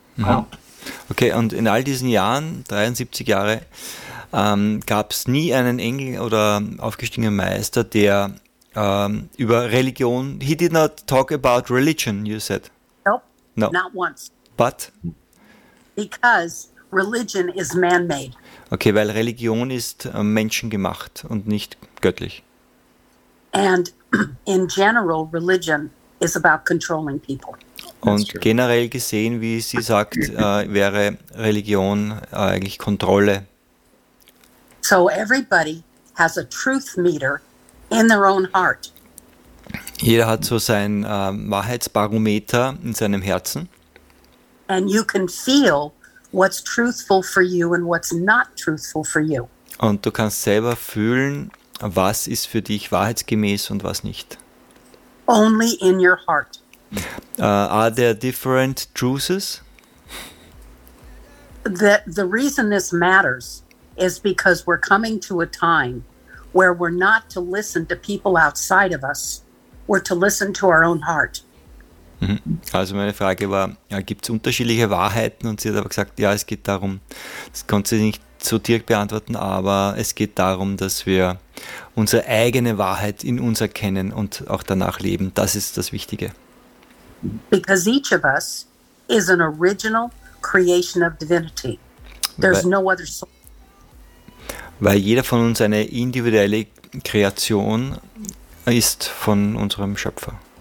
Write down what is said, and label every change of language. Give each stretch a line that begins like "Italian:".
German: Mhm. Okay, und in all diesen Jahren, 73 Jahre, gab es nie einen Engel oder aufgestiegenen Meister, der über Religion,
English: he did not talk about religion, you said. Nope, no. Not once. But? Because religion is man-made.
German: Okay, weil Religion ist menschengemacht und nicht göttlich.
English: And in general, religion is about controlling people.
German: Und generell gesehen, wie sie sagt, wäre Religion eigentlich Kontrolle.
English: So everybody has a truth meter in their own heart.
German: Jeder hat so sein Wahrheitsbarometer in seinem Herzen.
English: And you can feel what's truthful for you and what's not truthful for you.
German: Und du kannst selber fühlen, was ist für dich wahrheitsgemäß und was nicht.
English: Only in your heart. Are there different truths? The reason this matters is because we're coming to a time where we're not to listen to people outside of us, we're to listen to our own heart.
German: Also meine Frage war, ja, gibt es unterschiedliche Wahrheiten? Und sie hat aber gesagt, ja, es geht darum, das konnte sie nicht so direkt beantworten, aber es geht darum, dass wir unsere eigene Wahrheit in uns erkennen und auch danach leben. Das ist das Wichtige.
English: Because each of us is an original creation of divinity. There's no other soul.
German: Weil jeder von uns eine individuelle Kreation ist von unserem Schöpfer.